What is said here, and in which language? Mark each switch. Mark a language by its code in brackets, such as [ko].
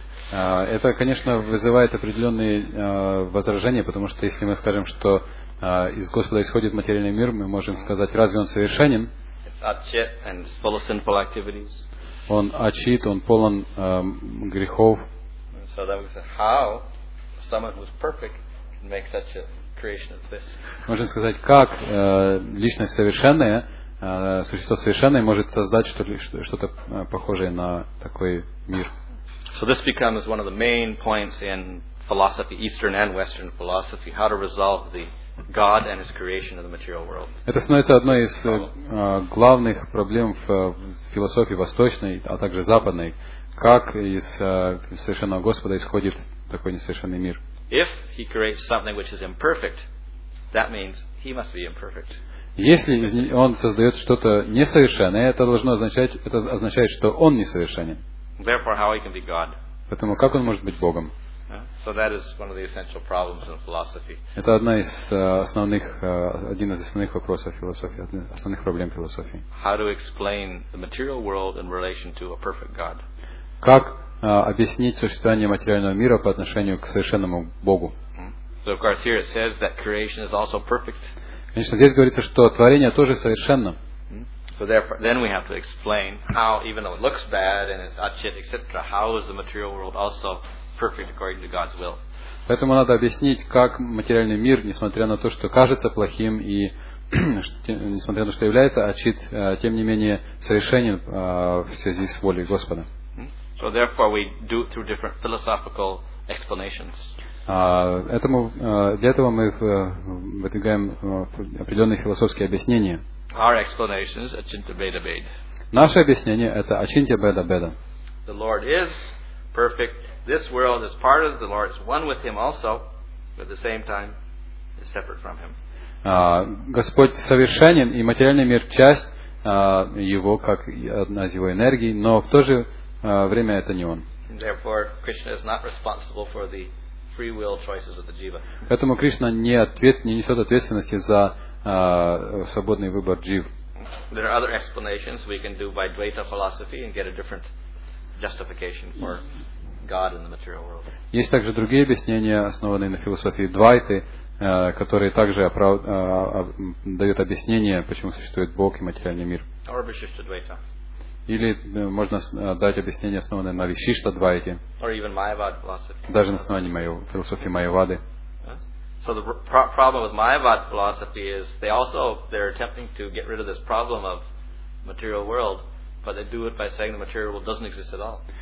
[ru] Это, конечно, вызывает определенные возражения, потому что если мы скажем, что из Господа исходит материальный мир, мы можем сказать, разве он совершенен? [en] It's atchit and it's full of sinful activities. [ru] Он очит, он полон грехов. [en] So that we said, how someone who's perfect can make such a creation as this? [ru] Можно сказать, как личность совершенная, существо совершенное может создать что-то похожее на такой мир. [en] So this becomes one of the main points in philosophy, Eastern and Western philosophy, how to resolve the God and his creation of the material world. [ru] Это становится одной из главных проблем в философии восточной, а также западной. Как из совершенного Господа исходит такой несовершенный мир? [en] If he creates something which is imperfect, that means he must be imperfect. [ru] Если он создает что-то несовершенное, это означает, что он несовершенен. [en] Therefore, how he can be God? [ru] Поэтому как он может быть Богом? [en] So that is one of the essential problems in philosophy. [ru] Это одна из основных, один из основных вопросов философии, основных проблем философии. [en] How to explain the material world in relation to a perfect God? [ru] Как объяснить существование материального мира по отношению к совершенному Богу? [en] So of course here it says that creation is also perfect. [ru] Конечно, здесь говорится, что творение тоже совершенно. [en] So therefore, then we have to explain how, even though it looks bad and it's achit, etc., how is the material world also perfect according to God's will? [ru] Поэтому надо объяснить, как материальный мир, несмотря на то, что кажется плохим и несмотря на то, что является achit, тем не менее совершенен в связи с волей Господа. [en] So therefore, we do it through different philosophical explanations. [ru] Этому для этого мы выдвигаем определенные философские объяснения. [en] Our explanation is Achintya Bheda Bheda. [ru] Наше объяснение это Ачинтья Бхеда Бхеда. [en] The Lord is perfect. This world is part of the Lord. It's one with Him also, but at the same time, is separate from Him. [ru] Господь совершенен, и материальный мир часть Его, как одна из Его энергий, но в то же время это не Он. [en] And therefore, Krishna is not responsible for the free will choices of the jiva. [ru] Поэтому Кришна не несет ответственности за свободный выбор джив. [en] There are other explanations we can do by Dvaita philosophy and get a different justification for God in the material world. [ru] Есть также другие объяснения, основанные на философии Двайты, которые также дают объяснение, почему существует Бог и материальный мир. [en] Or Vishishta Dvaita. [ru] Или можно дать объяснение, основанное на Вишишта Двайте. [en] Or even Mayavada philosophy. [ru] Даже на основании философии Майявады. [en] So the problem with Mayavad philosophy is they're attempting to get rid of this problem of material world, but they do it by saying the material world doesn't exist at all.